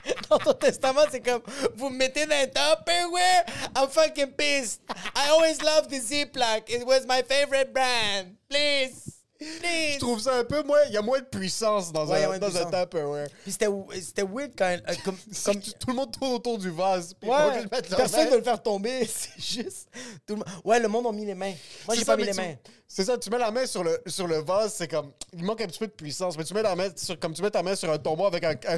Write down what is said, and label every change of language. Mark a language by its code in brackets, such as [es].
[fr] Dans ton testament, c'est comme, vous me mettez dans un Tupperware. [en] I'm fucking pissed. I always loved the Ziploc. It was my favorite brand. Please. Please. [fr] Je trouve ça un peu moins. Il y a moins de puissance dans un Tupperware. Puis c'était weird quand. Comme tout le monde tourne autour du vase. Ouais, personne ne veut le faire tomber. C'est juste. Tout le monde. Ouais, le monde a mis les mains. Moi, c'est j'ai ça, pas mis les mains. C'est ça, tu mets la main sur le vase, c'est comme. Il manque un petit peu de puissance. Mais tu mets la main sur un tombeau avec un